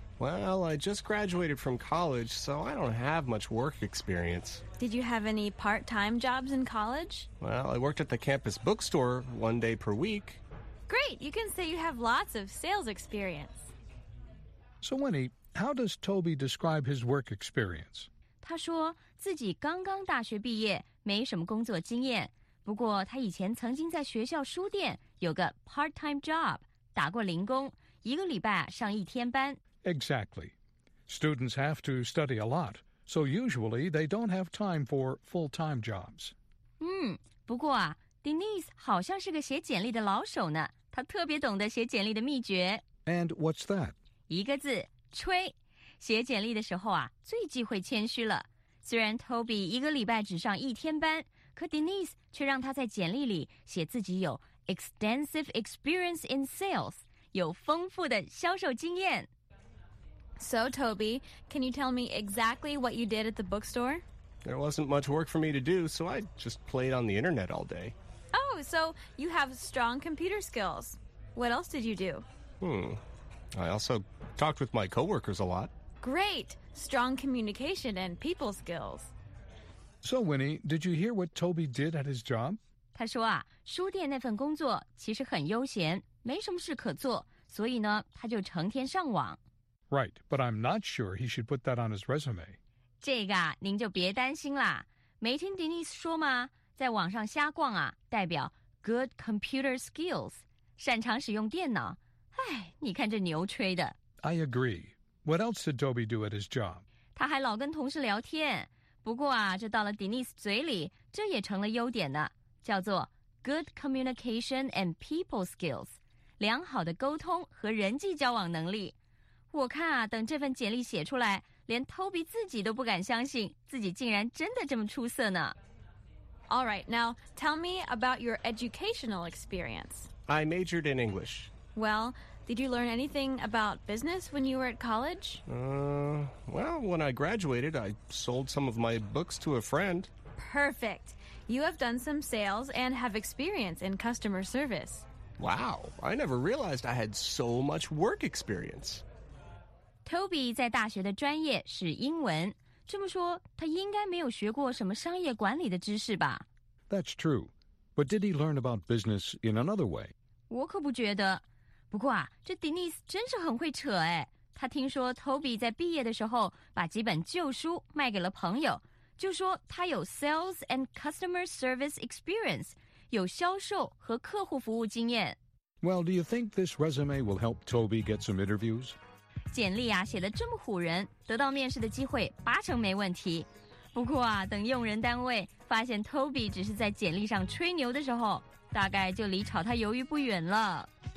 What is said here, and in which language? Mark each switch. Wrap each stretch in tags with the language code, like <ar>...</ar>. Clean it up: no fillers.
<en>Well, I just graduated from college, so I don't have much work experience. Did you have any part-time jobs in college? Well, I worked at the campus bookstore one day per week. Great! You can say you have lots of sales experience. So, Winnie, how does Toby describe his work experience?</en> <zh>他说自己刚刚大学毕业，没什么工作经验。不过他以前曾经在学校书店有个</zh> <en>part-time job,</en> <zh>打过零工，一个礼拜上一天班。</zh> <en>Exactly. Students have to study a lot, so usually they don't have time for full-time jobs.</en> <zh>不过啊Denise 好像是个写简历的老手呢，他特别懂得写简历的秘诀。</zh> <en>And what's that?</en> <zh>一个字，吹。写简历的时候啊，最忌讳谦虚了。虽然 Toby 一个礼拜只上一天班，可 Denise 却让他在简历里写自己有</zh> <en>extensive experience in sales,</en> <zh>有丰富的销售经验。</zh> <en>So Toby, can you tell me exactly what you did at the bookstore? There wasn't much work for me to do, so I just played on the internet all day. Oh, so you have strong computer skills. What else did you do? I also talked with my coworkers a lot. Great! Strong communication and people skills. So, Winnie, did you hear what Toby did at his job?</en> <zh>他说啊，书店那份工作其实很悠闲，没什么事可做，所以呢，他就成天上网。</zh> <en>Right, but I'm not sure he should put that on his resume.</en> <zh>这个啊您就别担心啦。没听 Denise 说吗，在网上瞎逛啊代表</zh> <en>good computer skills,</en> <zh>擅长使用电脑。哎，你看这牛吹的。</zh> <en>I agree. What else did Toby do at his job? 他还老跟同事聊天。不过啊这到了 Denise 嘴里这也成了优点呢，叫做 good communication and people skills, 良好的沟通和人际交往能力。我看啊等这份简历写出来，连 Toby 自己都不敢相信自己竟然真的这么出色呢。 All right, now tell me about your educational experience. I majored in English. Well, did you learn anything about business when you were at college? When I graduated, I sold some of my books to a friend. Perfect. You have done some sales and have experience in customer service. Wow, I never realized I had so much work experience.</en> <zh>Toby 在大学的专业是英文，这么说他应该没有学过什么商业管理的知识吧。</zh> <en>That's true, but did he learn about business in another way?</en> <zh>我可不觉得。不过啊这 Denise 真是很会扯哎，他听说 Toby 在毕业的时候把几本旧书卖给了朋友，就说他有</zh> <en>sales and customer service experience,</en> <zh>有销售和客户服务经验。</zh> <en>Well, do you think this resume will help Toby get some interviews?</en> <zh>简历啊写得这么唬人，得到面试的机会八成没问题。不过啊等用人单位发现 Toby 只是在简历上吹牛的时候，大概就离炒他鱿鱼不远了。</zh>